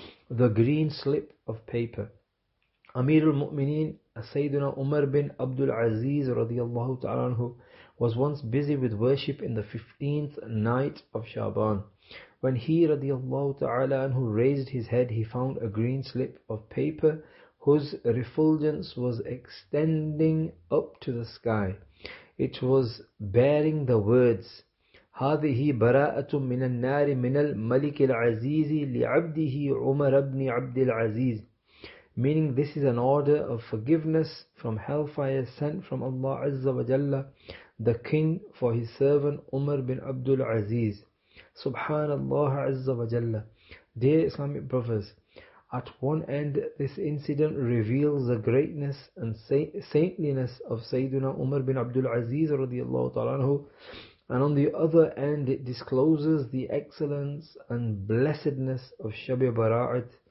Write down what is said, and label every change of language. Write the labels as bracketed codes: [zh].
[en] The green slip of paper. Amirul Mu'mineen Sayyiduna Umar bin Abdul Aziz radiyallahu ta'ala anhu was once busy with worship in the 15th night of Shaban. When he radiyallahu ta'ala anhu raised his head, he found a green slip of paper whose refulgence was extending up to the sky. It was bearing the words, [ar] هذه براءة من النار من الملك العزيز لعبده عمر بن عبد العزيز. [en] Meaning, this is an order of forgiveness from hellfire sent from Allah Azza wa Jalla, the King, for his servant Umar bin Abdul Aziz. Subhanallah Azza wa Jalla. Dear Islamic brothers, at one end, this incident reveals the greatness and saintliness of Sayyiduna Umar bin Abdul Aziz radiallahu ta'ala anhu, and on the other end, it discloses the excellence and blessedness of Shab-e-Bara'at.